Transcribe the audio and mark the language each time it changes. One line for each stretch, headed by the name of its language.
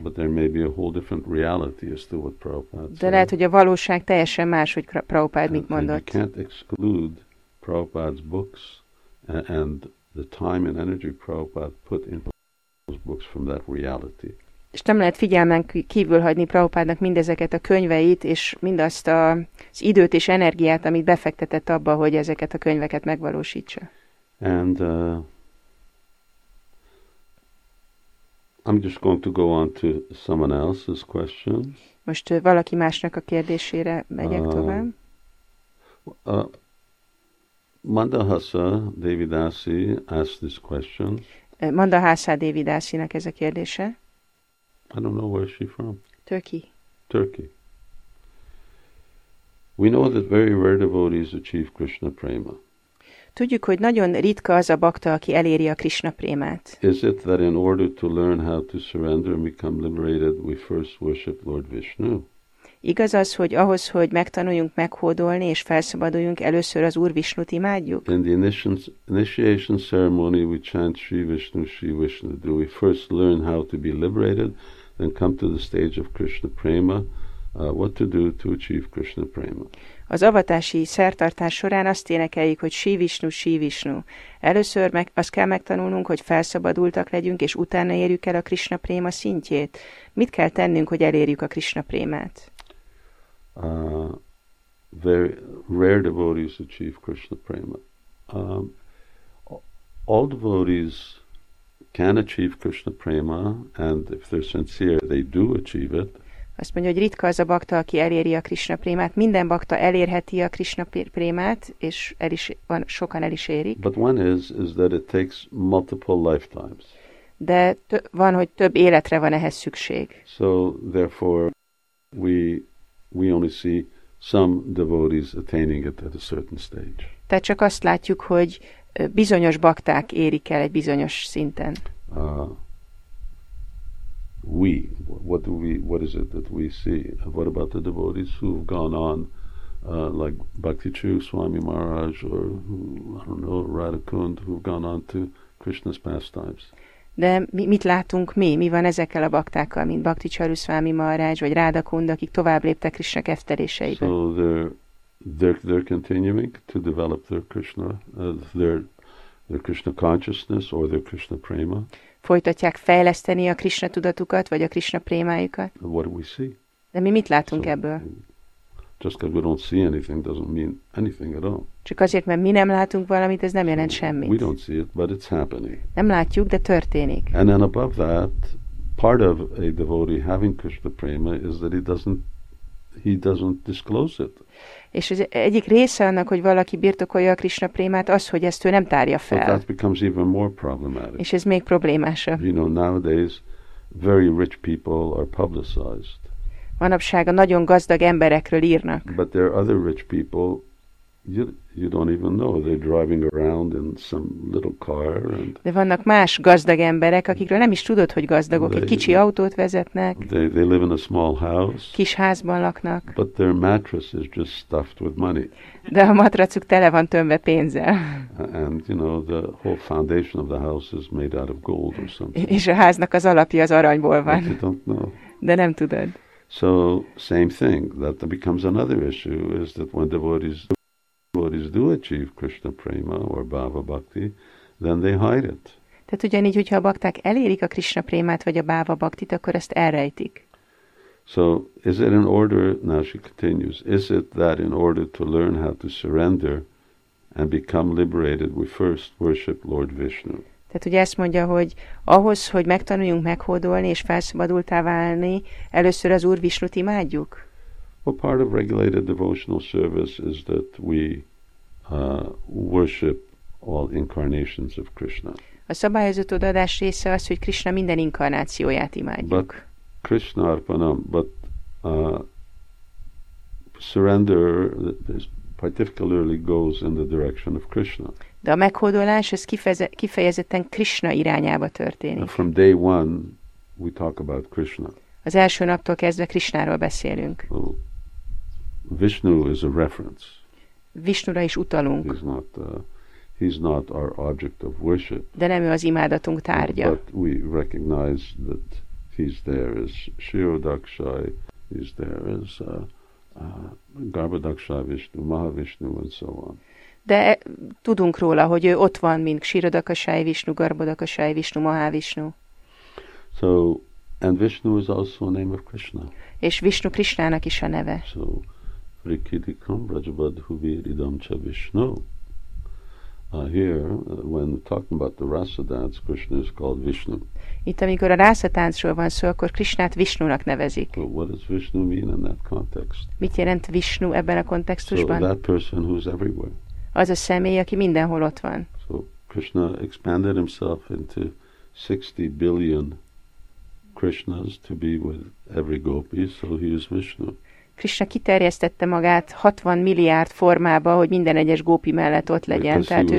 English: But there may be a whole different reality as to what Prabhupada said.
Hungarian: De lehet, hogy a valóság teljesen más, hogy Prabhupád mit mondott.
English: And you can't exclude Prabhupada's books and the time and energy Prabhupada put into those books from that reality.
Hungarian: És nem lehet figyelmen kívül hagyni Prabhupádnak mindezeket a könyveit, és mindazt az időt és energiát, amit befektetett abba, hogy ezeket a könyveket megvalósítsa.
English: And I'm just going to go on to someone else's question.
Hungarian: Most valaki másnak a kérdésére megyek tovább.
English: Mandahasa Devidasi asked this question.
Hungarian: Mandahasa Devidasinak ez a kérdése.
English: I don't know where she's from. Turkey. Turkey. We know that very rare devotees achieve Krishna prema.
Hungarian: Tudjuk, hogy nagyon ritka az a bhakta, aki eléri a Krishna prémát.
English: Is it that in order to learn how to surrender and become liberated, we first worship Lord Vishnu?
Hungarian: Igaz az, hogy ahhoz, hogy megtanuljunk meghódolni és felszabaduljunk, először az Úr Vishnut imádjuk?
English: In the initiation ceremony, we chant Sri Vishnu, Sri Vishnu. Do we first learn how to be liberated, then come to the stage of Krishna prema? What to do to achieve Krishna prema?
Hungarian: Az avatási szertartás során azt énekeljük, hogy Sri Vishnu, Sri Vishnu. Először azt kell megtanulnunk, hogy felszabadultak legyünk, és utána érjük el a Krishna prema szintjét. Mit kell tennünk, hogy elérjük a Krishna prémát?
English: Very rare devotees achieve Krishna prema. All devotees can achieve Krishna prema, and if they're sincere, they do achieve it.
Hungarian: Azt mondja, hogy ritka az a bhakta, aki eléri a Krishna prémát. Minden bhakta elérheti a Krishna prémát, és sokan el is érik.
English: But one is that it takes multiple lifetimes.
Hungarian: De van, hogy több életre van ehhez szükség.
English: So therefore we only see some devotees attaining it at a certain stage.
Hungarian: Tehát csak azt látjuk, hogy bizonyos bhakták érik el egy bizonyos szinten.
English: What is it that we see? What about the devotees who've gone on, like Bhakti Chu, Swami Maharaj, or I don't know, Radhakund, who've gone on to Krishna's pastimes?
Hungarian: De mit látunk mi? Mi van ezekkel a baktákkal, mint Bhakti Charu, Swami Maharaj, vagy Radhakund, akik tovább léptek Krishna kefteléseibe?
English: So they're continuing to develop their Krishna, their Krishna consciousness, or their Krishna prema.
Hungarian: Folytatják fejleszteni a Krishna tudatukat, vagy a Krishna prémájukat?
English: What do we see?
Hungarian: De mi mit látunk ebből?
English: Just because we don't see anything doesn't mean anything at all.
Hungarian: Csak azért, mert mi nem látunk valamit, ez nem jelent semmit.
English: We don't see it, but it's happening.
Hungarian: Nem látjuk, de történik.
English: And then above that, part of a devotee having Krishna prema is that he doesn't disclose it.
Hungarian: És az egyik része annak, hogy valaki birtokolja a Krishna prémát, az, hogy ezt ő nem tárja fel.
English: But that becomes even more problematic.
Hungarian: És ez még problémásabb.
English: You know, nowadays, very rich people are publicized.
Hungarian: Manapság a nagyon gazdag emberekről írnak.
English: But there are other rich people, you don't even know. They're driving around in some little car. And
Hungarian: de vannak más gazdag emberek, akikről nem is tudod, hogy gazdagok. Egy kicsi autót vezetnek.
English: They live in a small house.
Hungarian: Kis házban laknak.
English: But their mattress is just stuffed with money.
Hungarian: De a matracuk tele van tömve pénzzel.
English: And you know, the whole foundation of the house is made out of gold or something.
Hungarian: És a háznak az alapja az aranyból van.
English: But you don't know.
Hungarian: De nem tudod.
English: So, same thing. That becomes another issue, is that when devotees do achieve Krishna prema or bhava bhakti, then they hide it.
Hungarian: Tehát ugyanígy, hogyha a bakták elérik a Krishna prémát vagy a bhava bhaktit, akkor ezt elrejtik.
English: So, is it in order, now she continues, is it that in order to learn how to surrender and become liberated, we first worship Lord Vishnu.
Hungarian: Tehát ugye ezt mondja, hogy ahhoz, hogy megtanuljunk meghódolni és felszabadultá válni, először az Úr Vishnut imádjuk.
English: Well, part of regulated devotional service is that we worship all incarnations of Krishna.
Hungarian: A szabályozott odaadás része az, hogy Krishna minden inkarnációját imádjuk.
English: But Krishna arpanam, but surrender is particularly goes in the direction of Krishna.
Hungarian: De a meghódolás ez kifejezetten Krishna irányába történik.
English: And from day one we talk about Krishna.
Hungarian: Az első naptól kezdve Krishnáról beszélünk.
English: So, Vishnu is a reference.
Hungarian: Vishnura is utalunk.
English: He's not our object of worship.
Hungarian: De nem ő az imádatunk tárgya.
English: But we recognize that he's there as Shirodakshai, he's there as Garbhadakshai Vishnu, Mahavishnu, and so on.
Hungarian: De tudunk róla, hogy ő ott van, mint Shirodakshai Vishnu, Garbhadakshai Vishnu, Mahavishnu.
English: So, and Vishnu is also a name of Krishna.
Hungarian: És Vishnu Krishnának is a neve.
Sanskrit: So, Vrikidikam Rajabadhuviridam Cha Vishnu.
English: Here, when talking about the Rasa dance, Krishna is called Vishnu.
Hungarian: Itt, amikor a Rasa táncról van szó, akkor Krishnát Vishnunak nevezik.
English: So what does Vishnu mean in that context?
Hungarian: Mit jelent Vishnu ebben a kontextusban?
English: So that person who's everywhere.
Hungarian: Az a személy, aki mindenhol ott van.
English: So Krishna expanded himself into 60 billion Krishnas to be with every gopi, so he is Vishnu.
Hungarian: Krishna kiterjesztette magát 60 milliárd formába, hogy minden egyes gópi mellett ott legyen, tehát ő